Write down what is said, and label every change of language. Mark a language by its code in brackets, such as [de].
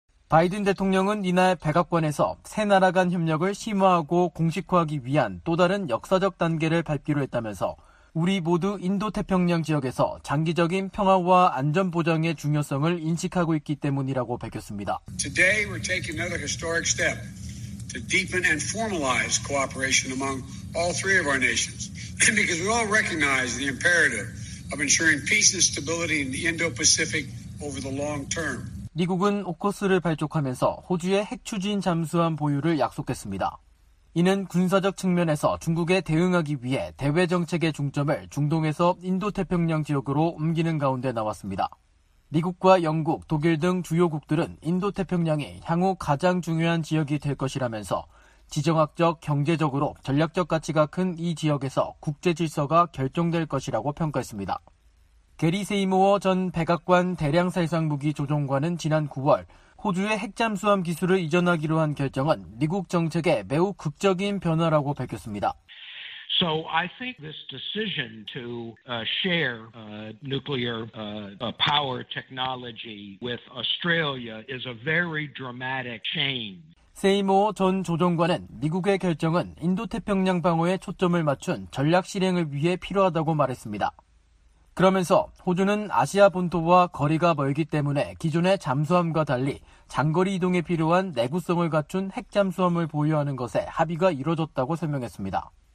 [ko] 바이든 대통령은 이날 백악관에서 세 나라 간 협력을 심화하고 공식화하기 위한 또 다른 역사적 단계를 밟기로 했다면서 우리 모두 인도태평양 지역에서 장기적인 평화와 안전 보장의 중요성을 인식하고 있기 때문이라고 밝혔습니다. [en] Today we're taking another historic step to deepen and formalize cooperation among all three of our nations. Because we all recognize the imperative of ensuring peace and stability in the Indo-Pacific over the long term. [ko] 미국은 오커스를 발족하면서 호주의 핵추진 잠수함 보유를 약속했습니다. 이는 군사적 측면에서 중국에 대응하기 위해 대외정책의 중점을 중동에서 인도태평양 지역으로 옮기는 가운데 나왔습니다. 미국과 영국, 독일 등 주요국들은 인도태평양이 향후 가장 중요한 지역이 될 것이라면서 지정학적, 경제적으로 전략적 가치가 큰 이 지역에서 국제질서가 결정될 것이라고 평가했습니다. 게리 세이모어 전 백악관 대량살상무기 조종관은 지난 9월 호주의 핵잠수함 기술을 이전하기로 한 결정은 미국 정책에 매우 극적인 변화라고 밝혔습니다. [en] So I think this decision to share nuclear power technology with Australia is a very dramatic change. [ko] 세이모어 전 조정관은 미국의 결정은 인도태평양 방어에 초점을 맞춘 전략 실행을 위해 필요하다고 말했습니다. 그러면서 호주는 아시아 본토와 거리가 멀기 때문에 기존의 잠수함과 달리 장거리 이동에 필요한 내구성을 갖춘 핵잠수함을 보유하는 것에 합의가 이뤄졌다고 설명했습니다.